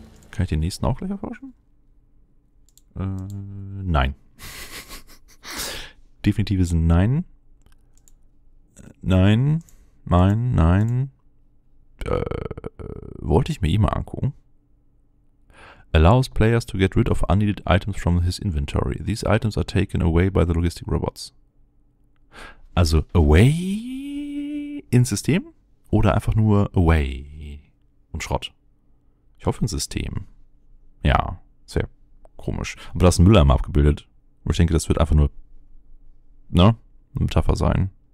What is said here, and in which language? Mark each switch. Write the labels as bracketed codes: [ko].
[de] Kann ich den nächsten auch gleich erforschen? Nein. Definitives Nein. Nein. Nein. Nein. Wollte ich mir eh mal angucken. [en] Allows players to get rid of unneeded items from his inventory. These items are taken away by the logistic robots. [de] Also away ins System oder einfach nur away und Schrott. Ich hoffe ins System. Ja, sehr komisch. Aber da ist ein Mülleimer abgebildet. Und ich denke, das wird einfach nur, ne, eine Metapher sein.